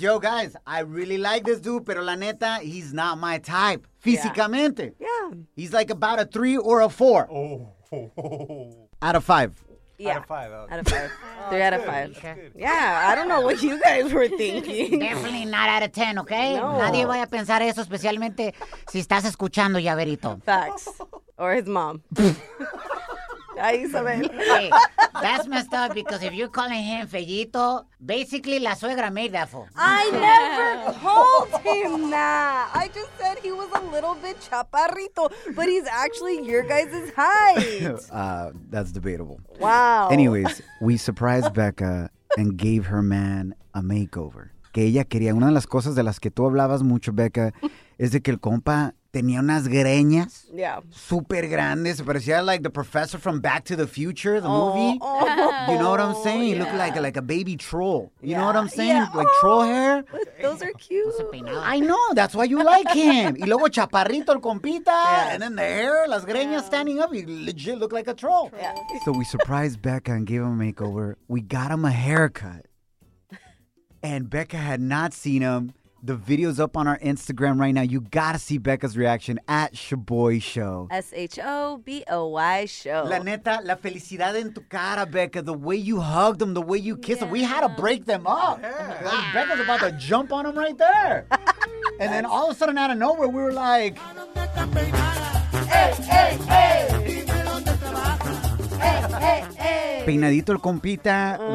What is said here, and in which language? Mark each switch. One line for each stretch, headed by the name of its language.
English: Yo, guys, I really like this dude,
Spanish: pero la neta,
English: he's not my type.
Spanish: Físicamente.
English: Yeah. Yeah. He's like about a 3 or a 4. Oh. Out of 5. Yeah. Out of 5. Okay. Out of 5. 3 out of 5. Okay. Yeah, I don't know what you guys were thinking. Definitely not out of 10, okay? No.
Spanish: Nadie vaya a pensar eso, especialmente si estás escuchando, llaverito.
English: Facts. Or his mom. Ay, Isabel. Hey, that's messed up because if you're calling him Fellito, basically
Spanish: la suegra
English: made that fool. I never called him that. I just said he was a little bit chaparrito, but he's actually your guys' height. That's debatable. Wow. Anyways, we surprised Becca and gave her man a makeover.
Spanish: Que ella quería. Una de las cosas de las que tú hablabas mucho, Becca, es de que el compa tenía unas greñas super grandes. Parecía
English: like the professor from Back to the Future, the movie. Oh. You know what I'm saying? Yeah. Looked like a baby troll. You yeah. know what I'm saying? Yeah. Like troll hair. Those are cute. I know. That's why you like him.
Spanish: Y luego chaparrito el compita.
English: Yes. And then the hair,
Spanish: las greñas
English: standing up. You legit look like a troll. Yeah. So we surprised Becca and gave him a makeover. We got him a haircut. And Becca had not seen him. The video's up on our Instagram right now. You gotta see Becca's reaction at Shaboy Show. S-H-O-B-O-Y Show.
Spanish: La neta, la felicidad en tu cara, Becca.
English: The way you hugged him, the way you kissed him. We had to break them up. Yeah. Becca's about to jump on him right there. And then all of a sudden, out of nowhere, we were like, hey, hey, hey.
Spanish: Peinadito el compita.